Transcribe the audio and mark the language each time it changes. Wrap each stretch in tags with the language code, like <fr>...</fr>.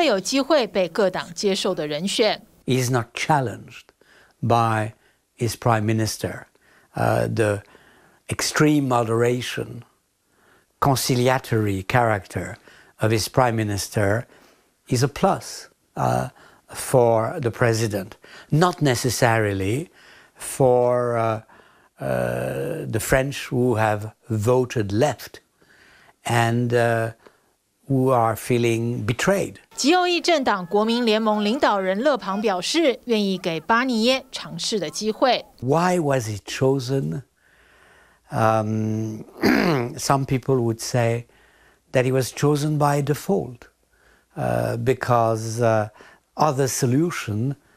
<zh>法国总统有权任命总理，无需国会同意。过去近两个月，左翼和右翼都提出总理人选，但都遭到马克宏否决。主张温和的巴尼耶是马克宏经过权衡，认为是最有机会被各党接受的人选。</zh> <en>He's not challenged by his prime minister. The extreme moderation, conciliatory character of his prime minister is a plus for the president, not necessarily for the French who have voted left and who are feeling betrayed.</en> <zh>极右翼政党国民联盟领导人勒庞表示，愿意给巴尼耶尝试的机会。</zh> <en>Why was he chosen? some people would say that he was chosen by default because other solution.</en>